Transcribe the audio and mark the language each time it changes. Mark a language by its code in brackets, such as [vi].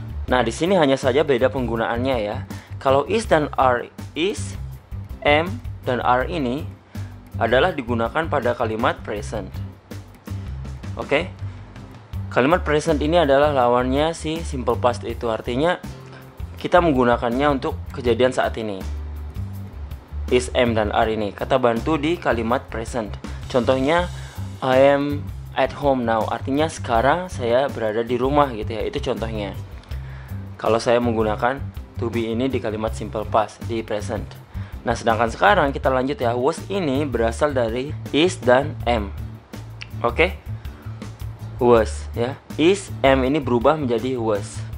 [id] Nah, di sini hanya saja beda penggunaannya ya. Kalau is dan are, is, am, dan are ini adalah digunakan pada kalimat present. Oke? Kalimat present ini adalah lawannya si simple past itu. Artinya kita menggunakannya untuk kejadian saat ini. Is, am, dan are ini kata bantu di kalimat present. Contohnya [en] I am at home now. [id] Artinya sekarang saya berada di rumah gitu ya. Itu contohnya. Kalau saya menggunakan to be ini di kalimat simple past di present. Nah, sedangkan sekarang kita lanjut ya. Was ini berasal dari is dan am. Oke? Was ya. Is, am ini berubah menjadi was.